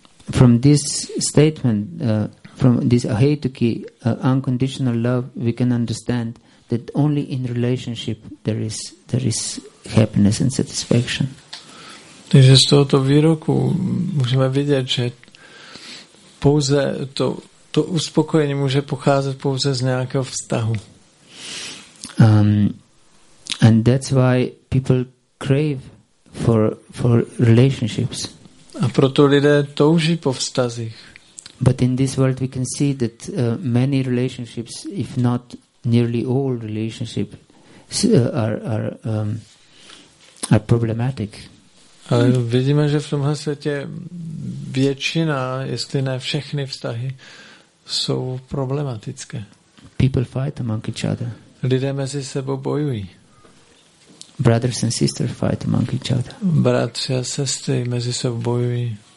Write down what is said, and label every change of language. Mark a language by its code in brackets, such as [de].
[en] From this statement, from this ahetuki, unconditional love, we can understand that only in relationship there is happiness and satisfaction. [cs] Takže z tohoto výroku můžeme vidět, že pouze to uspokojení může pocházet pouze z nějakého vztahu. [en] And that's why people crave for relationships. [cs] A proto lidé touží po vztazích. [en] But in this world we can see that many relationships, if not nearly all relationships, are problematic. [cs] Ale vidíme, že v tomhle světě většina, jestli ne všechny vztahy, jsou problematické. [en] People fight among each other. [cs] Lidé mezi sebou bojují. [en] Brothers and sisters fight among each other. [cs] Bratři a sestry mezi sebou bojují.